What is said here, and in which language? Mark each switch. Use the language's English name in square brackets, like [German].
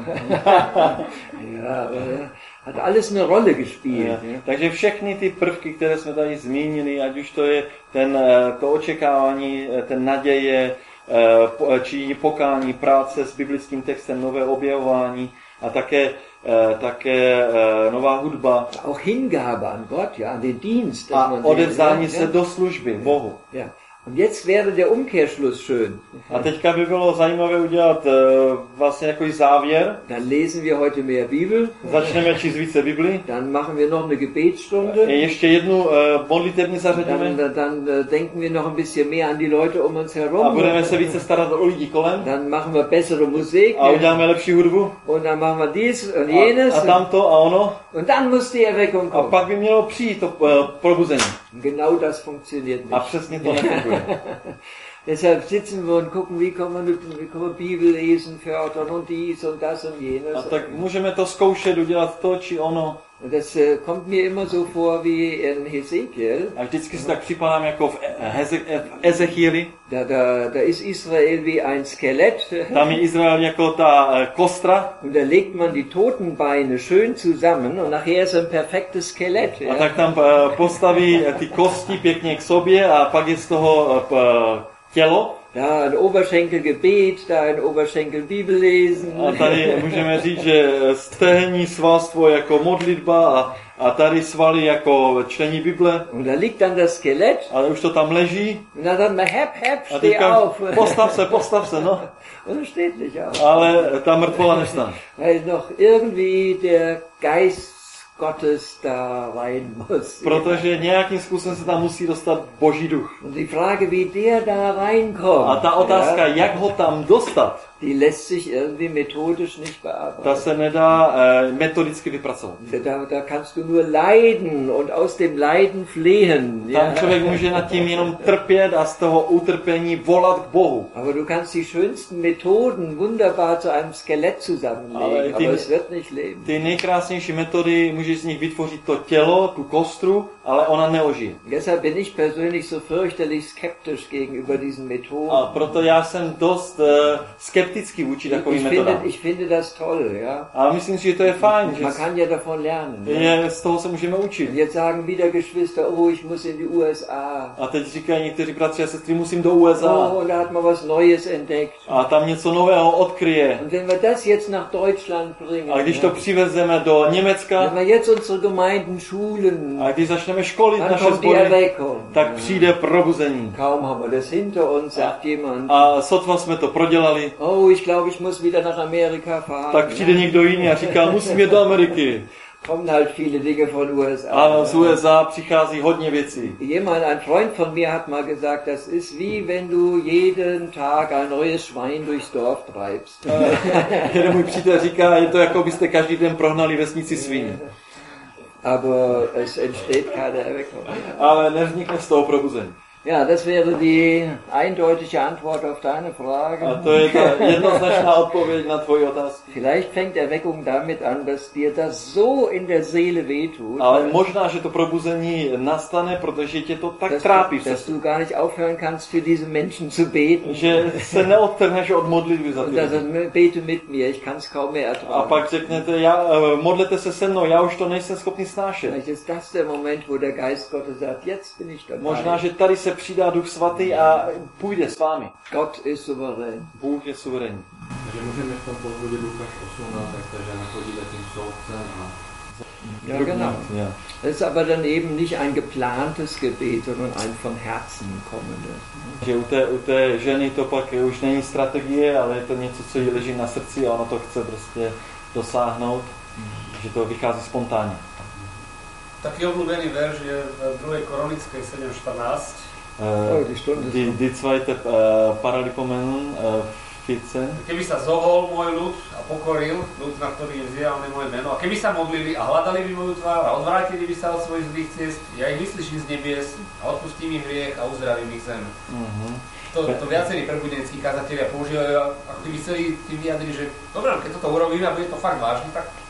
[German] hat alles eine Rolle gespielt. Ja. [Czech] Takže všechny ty prvky, které jsme tady zmínili, ať už to je to očekávání, ten naděje, či pokání, práce s biblickým textem, nové objevování a také nová hudba. [German] Auch Hingabe an Gott, ja, an den Dienst. [Czech] A odevzdání se do služby, Bohu. [German] Ja. Und jetzt wäre der Umkehrschluss schön. [Czech] A teďka by bylo zajímavé udělat vlastně jakoý závěr. [German] Dann lesen wir heute mehr Bibel. [Czech] Začneme číst více Bibli. [German] Dann machen wir noch eine Gebetsstunde. [Czech] Ještě jednu modlitevní zařadíme. [German] Dann denken wir noch ein bisschen mehr an die Leute um uns herum. [Czech] A budeme se více starat o lidi kolem. [German] Dann machen wir bessere Musik. [Czech] A uděláme lepší hudbu. [German] Und dann machen wir dies und jenes. [Czech] A tamto a ono. [German] Und dann muss die Erweckung kommen. [Czech] A pak by mělo přijít to probuzení. [German] Genau das funktioniert nicht. [Czech] A přesně to nefunguje. [German] Deshalb sitzen wir und gucken, wie kann man Bibel lesen, fördern und dies und das und jenes. [Czech] A tak můžeme to zkoušet, udělat to či ono. [German] Das kommt mir immer so vor wie in Hesekiel. [Czech] A vždycky si tak připadám jako v Ezechieli. [German] Da ist Israel wie ein Skelett. [Czech] Tam je Izrael jako ta kostra. [German] Und da legt man die Totenbeine schön zusammen und nachher ist ein perfektes Skelett. [Czech] A tak tam postaví ty kosti pěkně k sobě a pak je z toho tělo. [German] Da ein Oberschenkel Gebet, da ein Oberschenkel Bibel lesen. [Czech] A tady můžeme říct, že stehní svalstvo jako modlitba a tady svaly jako čtení Bible. [German] Und da liegt dann das Skelett. [Czech] Ale už to tam leží. [German] Na dann hep, steh auf. [Czech] Postav se, no. [German] Und steht nicht auf. [Czech] Ale ta mrtvola nevstane. [German] Weil noch irgendwie der Geist Gottes da rein muss. [Czech] Protože nějakým způsobem se tam musí dostat Boží duch. [German] Und die Frage, wie der da reinkommt. [Czech] A ta otázka, ja? Jak ho tam dostat? [German] Die lässt sich irgendwie methodisch nicht bearbeiten. [Czech] Ta se nedá metodicky vypracovat. [German] Da kannst du nur leiden und aus dem Leiden flehen. [Czech] Tam člověk může nad tím jenom trpět a z toho utrpení volat k Bohu. [German] Aber du kannst die schönsten Methoden wunderbar zu einem Skelett zusammenlegen, aber es wird nicht leben. [Czech] Ty nejkrásnější metody můžeš z nich vytvořit to tělo, tu kostru, ale ona neožije. [German] Deshalb bin ich persönlich so fürchterlich skeptisch gegenüber diesen Methoden. [Czech] A proto já jsem dost skepticky vůči takovým metodám. [German] Ich finde das toll, ja. [Czech] A myslím si, že to je fajn. [German] Man kann ja davon lernen. [Czech] Ne? Z toho se můžeme učit. [German] Und jetzt sagen wieder Geschwister, oh, ich muss in die USA. [Czech] A teď říkají někteří bratři a sestry, musím do USA. [German] Oh, und da hat man was Neues entdeckt. [Czech] A tam něco nového odkryje. [German] Und wenn wir das jetzt nach Deutschland bringen. [Czech] A když to přivezeme do Německa. [German] Wenn wir jetzt unsere Gemeinden schulen. [Czech] A když začneme školit naše sbory. Tak přijde probuzení. [German] Kaum haben wir das hinter uns, sagt jemand. [Czech] A sotva jsme to prodělali. [German] Oh, ich glaube, ich muss wieder nach Amerika fahren. [Czech] Tak přijde někdo jiný a říká, musím jít do Ameriky. [German] kommen halt viele Dinge von USA. [Czech] Ano, z USA přichází hodně věcí. [German] Jemand, ein Freund von mir hat mal gesagt, das ist wie wenn du jeden Tag ein neues Schwein durchs Dorf treibst. [Czech] Jeden můj přítel říká, je to jako byste každý den prohnali vesnici svině. [German] Aber es entsteht keine Erweckung. [Czech] Ale nevznikne z toho probuzení. [German] Ja, das wäre die eindeutige Antwort auf deine Frage. [Czech] A to je ta jednoznačná odpověď na tvoji otázku. [German] Vielleicht fängt Erweckung damit an, dass dir das so in der Seele wehtut. [Czech] Ale možná, že to probuzení nastane, protože tě to tak trápí. [German] Dass du gar nicht aufhören kannst, für diese Menschen zu beten. [Czech] Že se neodtrhneš od modlitby za ty. [German] Also, bete mit mir, ich kann es kaum mehr ertragen. [Czech] A pak řeknete, ja, modlete se mnou, ja už to nejsem schopný snášet. [German] Vielleicht ist das der Moment, wo der Geist Gottes sagt, jetzt bin ich dabei. [Czech] Možná, že tady se přidá Duch Svatý a půjde s vámi. [German] Gott ist souverän. [Czech] Bůh je suverénní. Takže můžeme v tom pohledu Lukáš 18, takže nachodíme tím soudcem a... [German] Ja, genau. Ja. Das ist aber dann eben nicht ein geplantes Gebet, sondern ein von Herzen kommendes. [Czech] Že u té ženy to pak už není strategie, ale je to něco, co jí leží na srdci a ona to chce prostě dosáhnout, že to vychází spontánně. [Slovak] Taký obľúbený verš je v 2. Korinské 7:14. [German] Die zweite Paralipomen v 5. [Slovak] Keby sa zohol môj ľud a pokoril, ľud, na ktorý je zjavné moje meno, a keby sa modlili a hľadali by moju tvár a odvrátili by sa od svojich zlých ciest, ja ich vyslyším z nebies a odpustím im hriech a uzdravím ich zem. To viacerí prebudenskí kazatelia používajú, ako keby chceli tým vyjadriť, že dobré, keď toto urobíme a bude to fakt vážne, tak...